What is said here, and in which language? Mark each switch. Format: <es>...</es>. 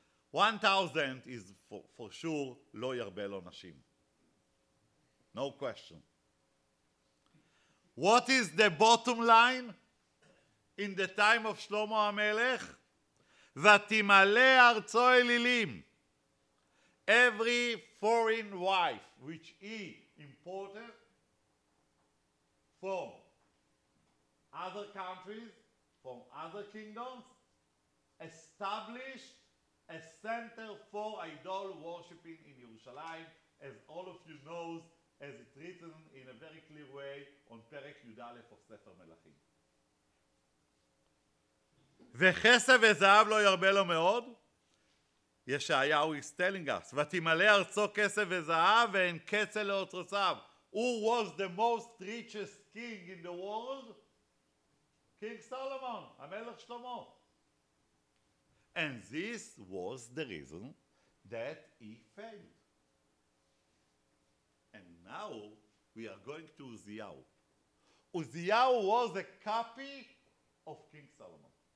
<en>1,000 is for sure</en> <he>לא ירבה לו נשים.</he> <en>No question. What is the bottom line in the time of Shlomo HaMelech?</en> <he>ותמלא ארצו אלילים.</he> <en>Every foreign wife which he imported from other countries, from other kingdoms, established a center for idol worshiping in Yerushalayim, as all of you know, as it's written in a very clear way on Perek Yudalef of Sefer Melachim.</en> <he>וחסב וזהב לא ירבה לו מאוד? ישעיהו</he> <en>is telling us,</en> <he>ותמלא ארצו כסב וזהב ואין קצה לאוצרותיו.</he> <en>Who was the most richest king in the world? King Solomon, HaMelech Shlomo. And this was the reason that he failed. And now we are going to Uzziahu. Uzziahu was a copy of King Solomon.</en>